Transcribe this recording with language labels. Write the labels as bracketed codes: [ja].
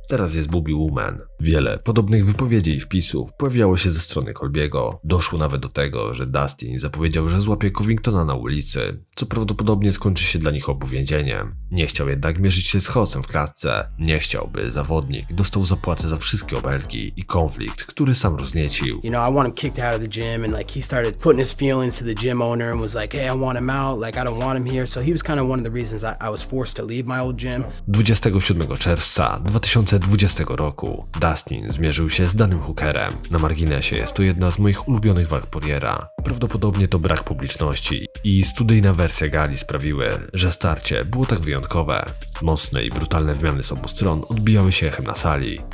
[pl] Teraz jest Boogie Woman. Wiele podobnych wypowiedzi i wpisów pojawiało się ze strony Colby'ego. Doszło nawet do tego, że Dustin zapowiedział, że złapie Covingtona na ulicy, co prawdopodobnie skończy się dla nich obu więzieniem. Nie chciał jednak mierzyć się z chaosem w klatce. Nie chciał, by zawodnik dostał zapłatę za wszystkie obelgi i konflikt, który sam rozniecił. [en] You know, I want him kicked out of the gym and like he started putting his feelings to the gym owner and was like, hey, I want him out, like I don't want him here. So he was kind of one of the reasons I was forced to leave my old gym. [pl] 27 czerwca 2020 roku Dustin zmierzył się z Danym Hookerem. Na marginesie jest to jedna z moich ulubionych walk Poiriera. Prawdopodobnie to brak publiczności i studyjna wersja gali sprawiły, że starcie było tak wyjątkowe. Mocne i brutalne wymiany z obu stron odbijały się echem na sali.